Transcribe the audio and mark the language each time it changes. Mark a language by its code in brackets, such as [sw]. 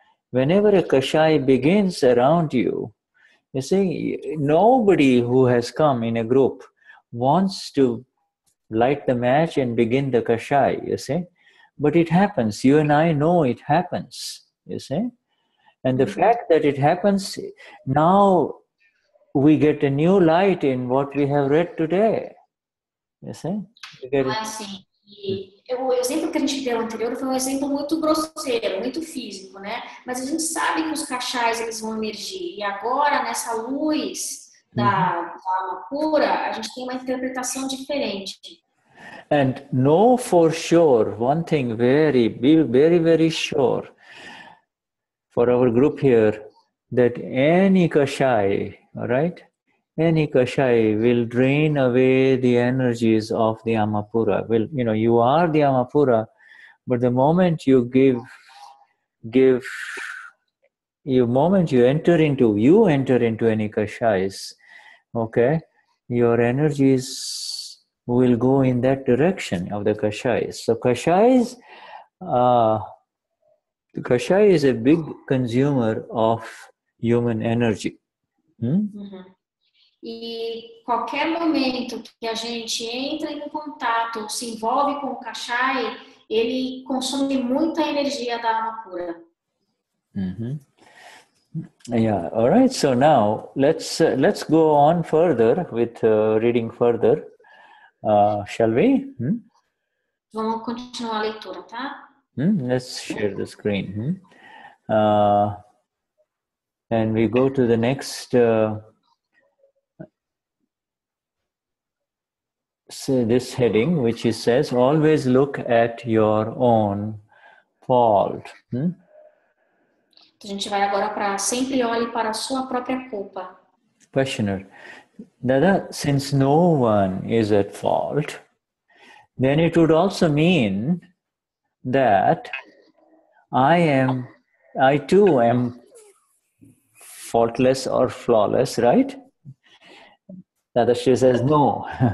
[en] Whenever a kashai begins around you, you see, nobody who has come in a group wants to light the match and begin the kashai, you see, but it happens. You and I know it happens, you see, and the fact that it happens now, we get a new light in what we have read today. Yes, eh? [pt] Então, assim, o exemplo que a gente deu anterior foi um exemplo muito grosseiro, muito físico, né? Mas a gente sabe que os cachais, eles vão emergir. E agora, nessa luz da alma pura, a gente tem uma interpretação diferente. [en] And know for sure, one thing very, very, very sure for our group here, that any kashai, all right, any kashai will drain away the energies of the Amapura. Will, you know, you are the Amapura, but the moment you enter into any kashais, okay, your energies will go in that direction of the kashais. So kashais, the kashai is a big consumer of human energy. [pt] E qualquer momento que a gente entra em contato, se envolve com o kashai, ele consome muita energia da alma pura. [en] Yeah, all right. So now let's go on further with reading further. Shall we? [pt] Vamos continuar a leitura, tá? [en] Let's share the screen. And we go to the next. This heading, which it says, always look at your own fault. [pt] A gente vai agora para sempre olhe para a sua própria culpa. [en] Questioner, Dada, since no one is at fault, then it would also mean that I too am. Faultless or flawless, right? Dada Shri says, no.